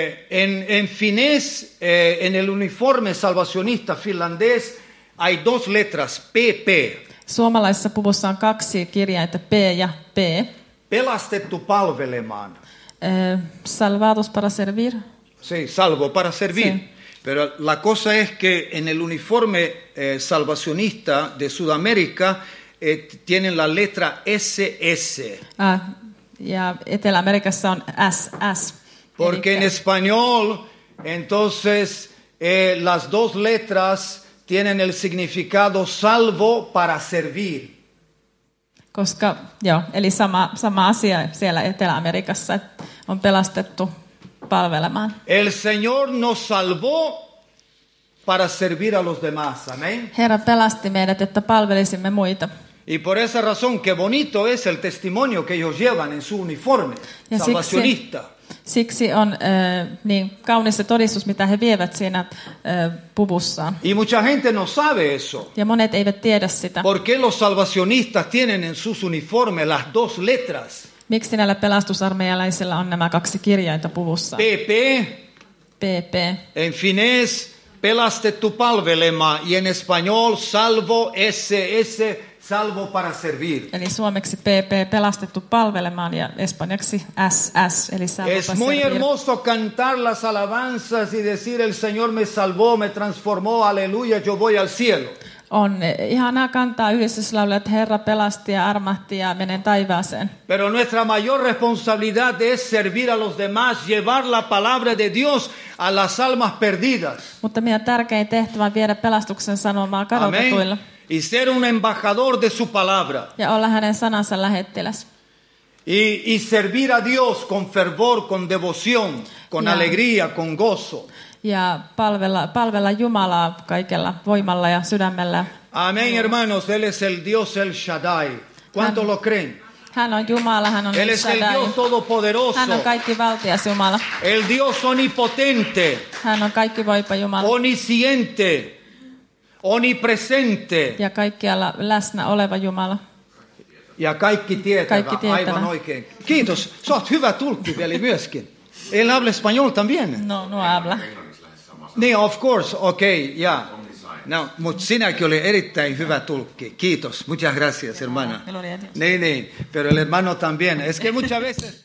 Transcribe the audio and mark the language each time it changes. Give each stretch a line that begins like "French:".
Spanish: En finés, en el uniforme salvacionista finlandés hay dos letras, PP.
Finnish: Suomalaisessa puvussa on kaksi kirjainta, P ja P. Pelastettu palvelemaan.
Spanish: Salvados para servir. Sí, salvo para servir. Sí. Pero la cosa es que en el uniforme salvacionista de Sudamérica tienen la letra SS.
Finnish: Ja Etelä-Amerikassa on SS.
Spanish: Porque en español, entonces, las dos letras tienen el significado salvo para servir.
Finnish: Koska, joo, eli sama asia siellä Etelä-Amerikassa, on pelastettu palvelemaan.
Spanish: El Señor nos salvó para servir a los demás, amén.
Finnish: Herra pelasti meidät, että palvelisimme muita.
Spanish: Y por esa razón, qué bonito es el testimonio que ellos llevan en su uniforme, ja salvacionista.
Finnish: Siksi on niin kaunis se todistus, mitä he vievät siinä puvussaan.
Spanish: Y mucha gente no sabe eso.
Finnish: Ja monet eivät tiedä sitä.
Spanish: ¿Por qué los salvacionistas tienen en sus uniformes las dos letras?
Finnish: Miksi näillä pelastusarmeijalaisilla on nämä kaksi kirjainta puvussa? PP. PP.
Spanish: En finés,
Finnish: pelastettu palvelemaan.
Spanish: Y en español, salvo SS, salvo para servir.
Finnish: Eli suomeksi PP, pelastettu palvelemaan, ja espanjaksi SS, eli salvo
Spanish: para servir. Es muy hermoso cantar las alabanzas y decir el Señor me salvó, me transformó, aleluya, yo voy al cielo.
Finnish: On ihanaa kantaa yhdistyslaulua, että Herra pelasti ja armahti ja menen taivaaseen.
Spanish: Pero nuestra mayor responsabilidad es servir a los demás, llevar la palabra de Dios a las almas perdidas.
Finnish: Mutta meidän tärkein tehtävä on viedä pelastuksen sanomaa kadotetuille.
Spanish: Y ser un embajador de su palabra.
Finnish: Ja olla hänen sanansa lähettiläs.
Spanish: Y servir a Dios con fervor, con devoción, con ja. Alegría, con gozo.
Finnish: Ja palvella Jumalaa kaikella voimalla ja sydämellä.
Spanish: Amén, hermanos, él es el Dios el Shaddai. ¿Cuánto lo creen?
Finnish: Hän on Jumala, hän on el Shaddai.
Spanish: Él es el Dios todopoderoso.
Finnish: Hän on kaikkivaltias Jumala.
Spanish: El Dios omnipotente.
Finnish: Hän on kaikkivoipa Jumala.
Spanish: Omnisciente. Omnipresente.
Finnish: Ja kaikkialla läsnä oleva Jumala. Ja kaikki tietävä. Aivan oikein. Kiitos. Sä oot hyvä tulkki vielä myöskin.
Spanish: Él habla español también. No habla.
English: Ne, of course. Okay, ja. Yeah.
Finnish: No, mut sinäkin oli erittäin hyvä tulkki. Kiitos.
Spanish: Muchas gracias, hermana. Gloria a Dios. Ne. Pero el hermano también. Es que muchas veces